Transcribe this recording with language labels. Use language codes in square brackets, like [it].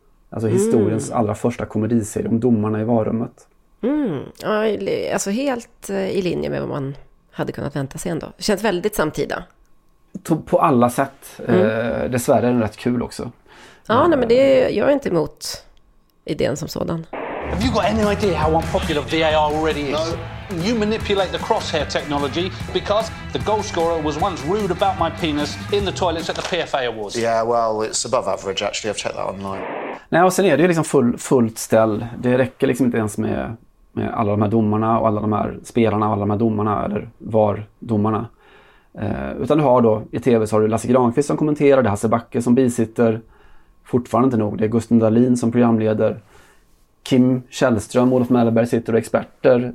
[sv] Alltså historiens allra första komediserie om domarna i varrummet. Ja, alltså helt i linje med vad man hade kunnat vänta sig ändå. Det känns väldigt samtida. På alla sätt. Dessvärre är den rätt kul också. Ja, nej, men det gör jag inte emot idén som sådan. [en] Have you got any idea how unpopular VAR already is? No. You manipulate the crosshair technology because the goal scorer was once rude about my penis in the toilets at the PFA Awards. Yeah, well, it's above average actually. I've checked that online. [sv] Nej, och sen är det ju liksom fullt ställ. Det räcker liksom inte ens med alla de här domarna och alla de här spelarna och alla de här domarna, eller var domarna. Utan du har då, i tv så har du Lasse Granqvist som kommenterar, det är Hasse Backe som bisitter. Fortfarande inte nog, det är Gusten Dahlin som programleder. Kim Källström, Olof Mellberg sitter och experter.